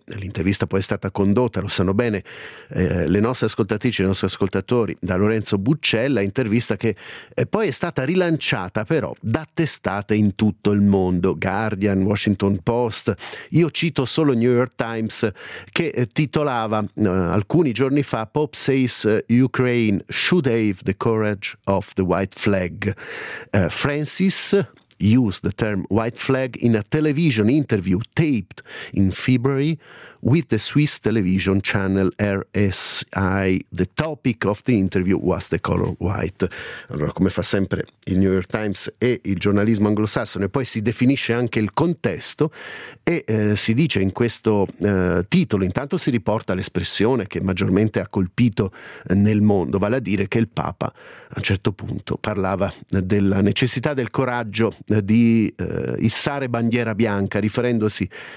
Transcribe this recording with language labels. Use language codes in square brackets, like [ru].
[it] L'intervista poi è stata condotta, lo sanno bene le nostre ascoltatrici, i nostri ascoltatori, da Lorenzo Buccella, intervista che poi è stata rilanciata però da testate in tutto il mondo, Guardian, Washington Post, io cito solo New York Times, che titolava alcuni giorni fa, [en] Pope says Ukraine should have the courage of the white flag. Francis used the term white flag in a television interview taped in February with the Swiss television channel RSI. The topic of the interview was the color white. [it] Allora, come fa sempre il New York Times e il giornalismo anglosassone, poi si definisce anche il contesto e si dice in questo titolo, intanto si riporta l'espressione che maggiormente ha colpito nel mondo, vale a dire che il Papa a un certo punto parlava della necessità del coraggio di issare bandiera bianca, riferendosi